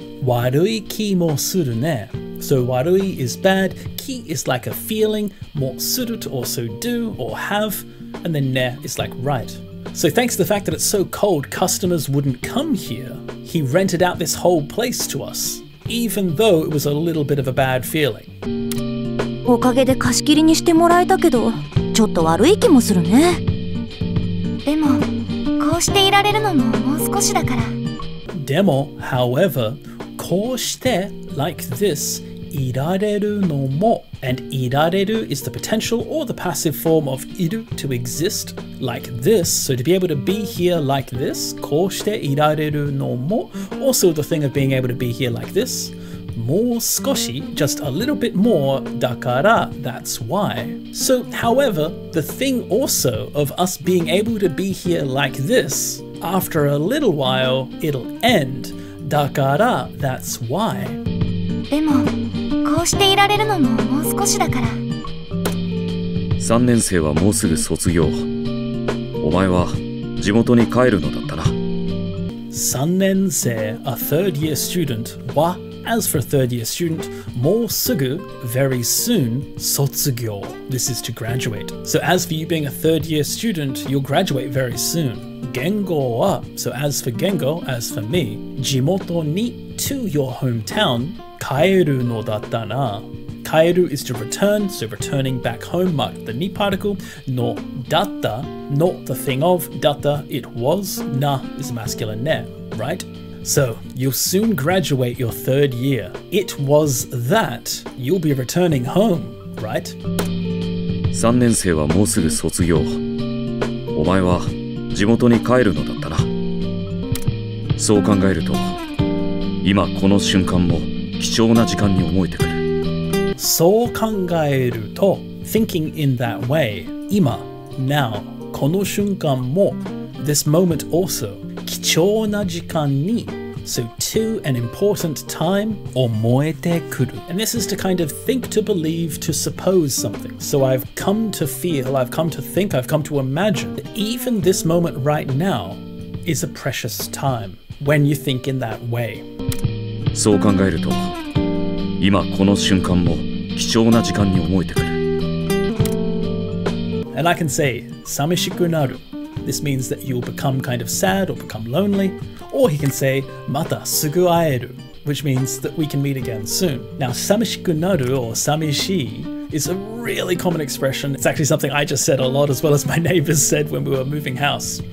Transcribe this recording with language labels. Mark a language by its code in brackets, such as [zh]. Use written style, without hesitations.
[ja] Warui ki mo suru ne. [en] So warui is bad. Ki is like a feeling. Mo suru to also do or have. And then ne is like right. So thanks to the fact that it's so cold, customers wouldn't come here. He rented out this whole place to us. even though it was a little bit of a bad feeling. [ja] おかげで貸し切りにしてもらえたけど、ちょっと悪い気もするね。でも、こうしていられるのももう少しだから。 [en] でも、however, [ja] こうして、 [en] like this, [ja] いられるのも [en] and いられる is the potential or the passive form of いる to exist like this so to be able to be here like this [ja] こうしていられるのも [en] also the thing of being able to be here like this [ja] もう少し [en] just a little bit more [ja] だから [en] that's why so however the thing also of us being able to be here like this after a little while it'll end だから that's why [ja] でもこうしていられるのももう少しだから 3年生はもうすぐ卒業お前は地元に帰るのだったな [en] 3年生 a third year student は as for a third year student [ja] もうすぐ [en] very soon 卒業 this is to graduate so as for you being a third year student you'll graduate very soon 言語は so as for 言語 as for me [ja] 地元に [en] to your hometown [ja] Kaeru no datta na. [en] Kaeru is to return, so returning back home, mark the ni particle. No datta, not the thing of datta, it was. Na is a masculine ne, right? So, you'll soon graduate your third year. It was that you'll be returning home, right? [ja] 3年生はもうすぐ卒業。お前は地元に帰るのだったな。そう考えると、今この瞬間も貴重な時間に思えてくる。そう考えると、 [en] thinking in that way, 今、now, [ja] この瞬間も、 [en] this moment also, [ja] 貴重な時間に、 [en] so to an important time, [ja] 思えてくる。 [en] And this is to kind of think to believe, to suppose something. So I've come to feel, I've come to think, I've come to imagine, that even this moment right now is a precious time, when you think in that way. [ja] そう考えると、今この瞬間も貴重な時間に思えてくる。 [en] And I can say, [ja] 寂しくなる。 [en] This means that you'll become kind of sad or become lonely. Or he can say, [ja] またすぐ会える。 [en] Which means that we can meet again soon. Now, 寂しくなる or 寂しいis a really common expression. It's actually something I just said a lot, as well as my neighbors said when we were moving house.